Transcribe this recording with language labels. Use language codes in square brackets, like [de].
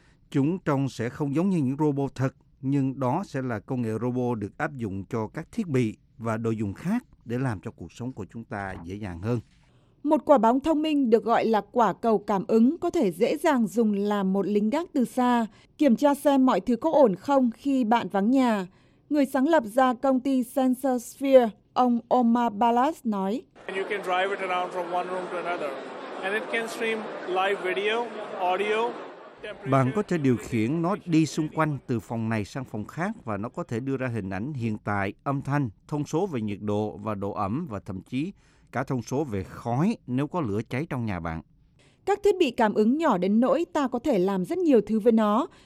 [vi] Chúng trông sẽ không giống như những robot thật, nhưng đó sẽ là công nghệ robot được áp dụng cho các thiết bị và đồ dùng khác để làm cho cuộc sống của chúng ta dễ dàng hơn. Một quả bóng thông minh được gọi là quả cầu cảm ứng có thể dễ dàng dùng làm một lính gác từ xa, kiểm tra xem mọi thứ có ổn không khi bạn vắng nhà. Người sáng lập ra công ty SensorSphere, ông Omar Balas nói. [en] You can drive it around from one room to another, and it can stream live video, audio. [vi] Bạn có thể điều khiển nó đi xung quanh từ phòng này sang phòng khác và nó có thể đưa ra hình ảnh hiện tại, âm thanh, thông số về nhiệt độ và độ ẩm và thậm chí cả thông số về khói nếu có lửa cháy trong nhà bạn. Các thiết bị cảm ứng nhỏ đến nỗi ta có thể làm rất nhiều thứ với nó.